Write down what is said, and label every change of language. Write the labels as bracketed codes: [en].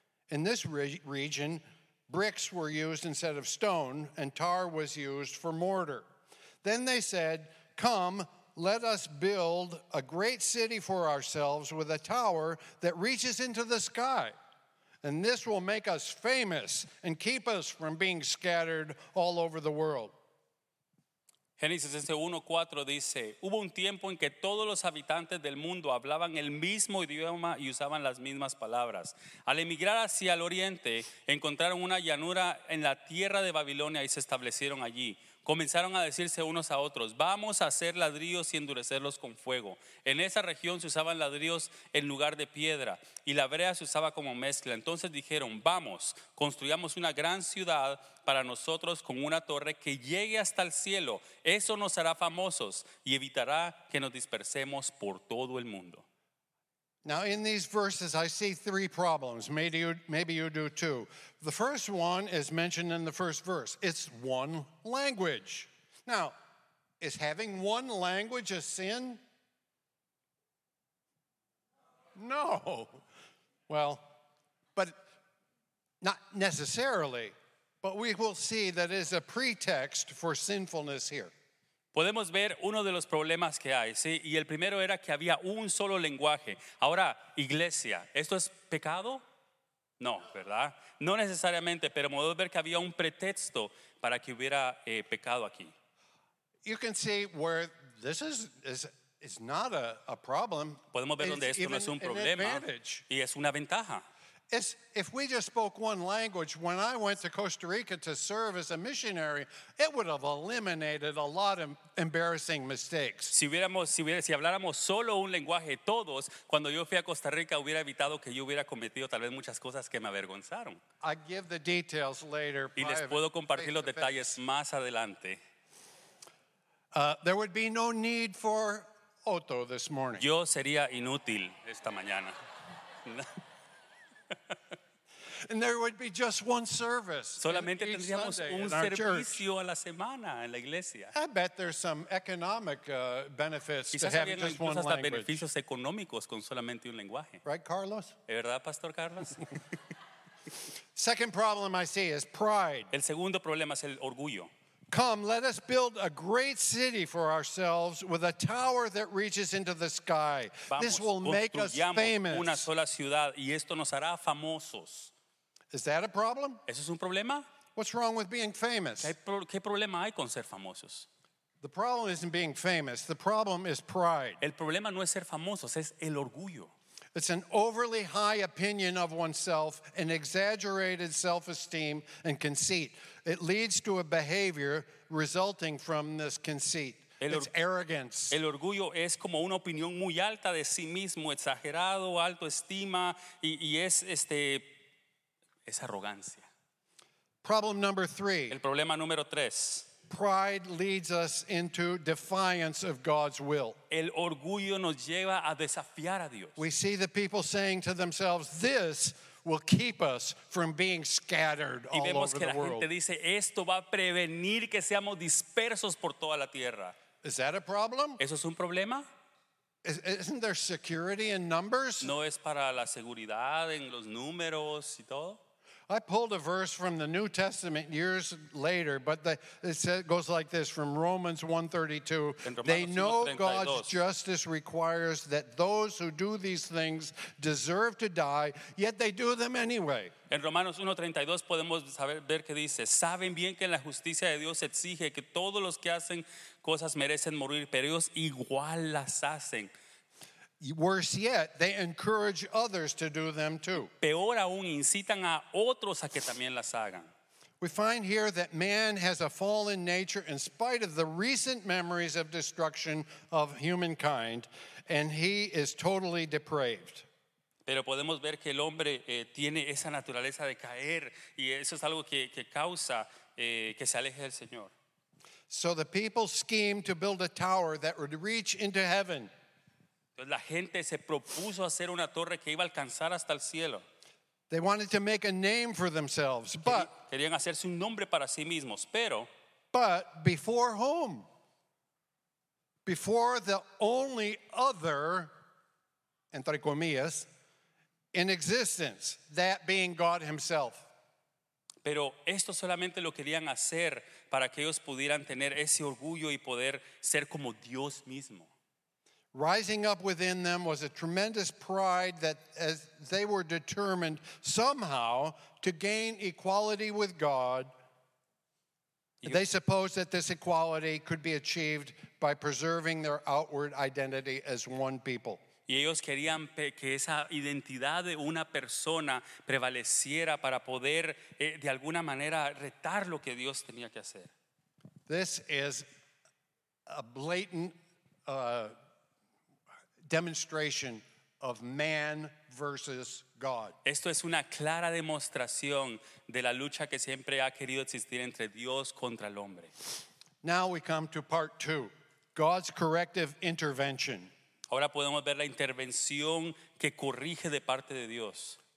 [en] In this region, bricks were used instead of stone, and tar was used for mortar. Then they said, "Come, let us build a great city for ourselves with a tower that reaches into the sky. And this will make us famous and keep us from being scattered all over the world." [es] Génesis 1:4 dice, "Hubo un tiempo en que todos los habitantes del mundo hablaban el mismo idioma y usaban las mismas palabras. Al emigrar hacia el oriente, encontraron una llanura en la tierra de Babilonia y se establecieron allí. Comenzaron a decirse unos a otros, 'Vamos a hacer ladrillos y endurecerlos con fuego.' En esa región se usaban ladrillos en lugar de piedra y la brea se usaba como mezcla. Entonces dijeron, 'Vamos, construyamos una gran ciudad para nosotros con una torre que llegue hasta el cielo. Eso nos hará famosos y evitará que nos dispersemos por todo el mundo.'" [en] Now in these verses I see three problems. Maybe you do too. The first one is mentioned in the first verse. It's one language. Now, is having one language a sin? No. Well, but not necessarily, but we will see that is a pretext for sinfulness here. [es] Podemos ver uno de los problemas que hay, ¿sí? Y el primero era que había un solo lenguaje. Ahora, iglesia, ¿esto es pecado? No, ¿verdad? No necesariamente, pero podemos ver que había un pretexto para que hubiera pecado aquí. [en] You can see where this is not a problem. [es] Podemos ver donde esto no es un problema y es una ventaja. [en] If we just spoke one language, when I went to Costa Rica to serve as a missionary, it would have eliminated a lot of embarrassing mistakes. [es] Si habláramos solo un lenguaje todos, cuando yo fui a Costa Rica, hubiera evitado que yo hubiera cometido tal vez muchas cosas que me avergonzaron. [en] I give the details later. [es] Y les puedo compartir los detalles más adelante. [en] There would be no need for Otto this morning. [es] Yo sería inútil esta mañana. [en] And there would be just one service. [es] Solamente tendríamos un servicio a la semana en la iglesia. [en] I bet there's some economic benefits to having just one language. [es] Quizás beneficios económicos con solamente un lenguaje. [en] Right, Carlos? [es] ¿Es verdad, Pastor Carlos? [en] Second problem I see is pride. [es] El segundo problema es el orgullo. [en] Come, let us build a great city for ourselves with a tower that reaches into the sky. This will make us famous. [es] Una sola ciudad y esto nos hará famosos. [en] Is that a problem? [es] ¿Eso es un problema? [en] What's wrong with being famous? [es] ¿Qué problema hay con ser famosos? [en] The problem isn't being famous. The problem is pride. [es] El problema no es ser famosos, es el orgullo. [en] It's an overly high opinion of oneself, an exaggerated self-esteem and conceit. It leads to a behavior resulting from this conceit. It's arrogance. [es] El orgullo es como una opinión muy alta de sí mismo, exagerado, alto estima, y es es arrogancia. [en] Problem number three. [es] El problema número tres. [en] Pride leads us into defiance of God's will. [es] El orgullo nos lleva a desafiar a Dios. [en] We see the people saying to themselves, "This will keep us from being scattered all over the world." [es] Y vemos que la gente dice, "Esto va a prevenir que seamos dispersos por toda la tierra." [en] Is that a problem? [es] ¿Eso es un problema? [en] Isn't there security in numbers? [es] ¿No es para la seguridad en los números y todo? [en] I pulled a verse from the New Testament years later, but it goes like this from Romans 1:32. They know God's justice requires that those who do these things deserve to die, yet they do them anyway. [es] En Romanos 1:32 podemos ver que dice, saben bien que la justicia de Dios exige que todos los que hacen cosas merecen morir, pero ellos igual las hacen. [en] Worse yet, they encourage others to do them too. [es] Peor aún, incitan a otros a que también las hagan. [en] We find here that man has a fallen nature in spite of the recent memories of destruction of humankind, and he is totally depraved. [es] Pero podemos ver que el hombre tiene esa naturaleza de caer, y eso es algo que causa que se aleje del Señor. [en] So the people schemed to build a tower that would reach into heaven. [es] La gente se propuso hacer una torre que iba a alcanzar hasta el cielo. [en] They wanted to make a name for themselves, but [es] querían hacerse un nombre para sí mismos, pero [en] but before whom? Before the only other, [es] entre comillas, [en] in existence, that being God himself. [es] Pero esto solamente lo querían hacer para que ellos pudieran tener ese orgullo y poder ser como Dios mismo. [en] Rising up within them was a tremendous pride that as they were determined somehow to gain equality with God, they supposed that this equality could be achieved by preserving their outward identity as one people. [es] Y ellos querían que esa identidad de una persona prevaleciera para poder de alguna manera retar lo que Dios tenía que hacer. [en] This is a blatant demonstration of man versus God. [es] Esto es una clara demostración de la lucha que siempre ha querido existir entre Dios contra el hombre. [en] Now we come to part two, God's corrective intervention. [es] Ahora podemos ver la intervención que corrige de parte de Dios.